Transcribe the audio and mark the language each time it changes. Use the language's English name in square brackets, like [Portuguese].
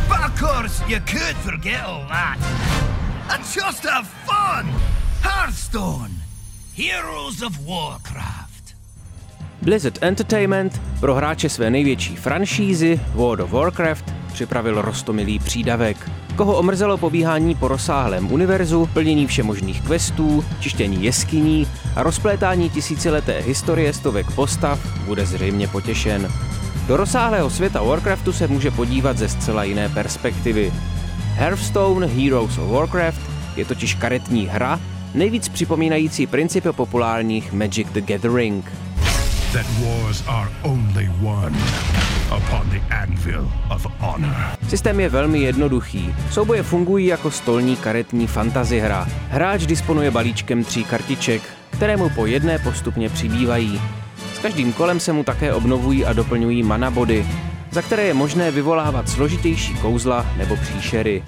[English] Of course, you could forget all that and just have fun! Hearthstone, Heroes of Warcraft. [Czech] Blizzard Entertainment pro hráče své největší franšízy World of Warcraft připravil roztomilý přídavek. Koho omrzelo pobíhání po rozsáhlém univerzu, plnění všemožných questů, čištění jeskyní a rozplétání tisícileté historie stovek postav, bude zřejmě potěšen. Do rozsáhlého světa Warcraftu se může podívat ze zcela jiné perspektivy. Hearthstone Heroes of Warcraft je totiž karetní hra, nejvíc připomínající princip populárních Magic the Gathering. [English] That wars are only won upon the anvil of honor. [Czech] Systém je velmi jednoduchý. Souboje fungují jako stolní karetní fantasy hra. Hráč disponuje balíčkem 3 kartiček, které mu po jedné postupně přibývají. S každým kolem se mu také obnovují a doplňují mana body, za které je možné vyvolávat složitější kouzla nebo příšery.